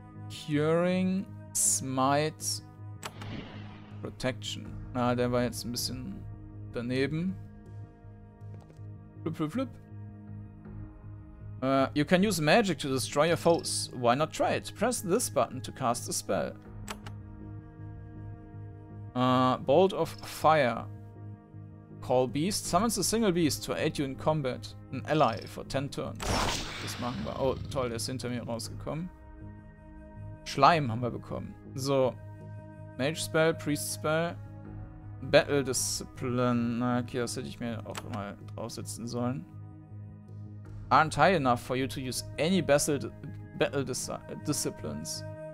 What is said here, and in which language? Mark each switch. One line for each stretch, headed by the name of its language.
English: Curing, Smite, Protection.
German: Na, ah, der war jetzt ein bisschen daneben.
English: Flip, flip, flip. You can use magic to destroy your foes. Why not try it? Press this button to cast a spell. Bolt of Fire. Call Beast. Summons a single beast to aid you in combat. An ally for 10 turns.
German: Das machen wir. Oh, toll, der ist hinter mir rausgekommen. Schleim haben wir bekommen. So. Mage Spell, Priest Spell.
English: Battle Discipline.
German: Na, okay, das hätte ich mir auch mal draufsetzen sollen.
English: Aren't high enough for you to use any Battle Disciplines.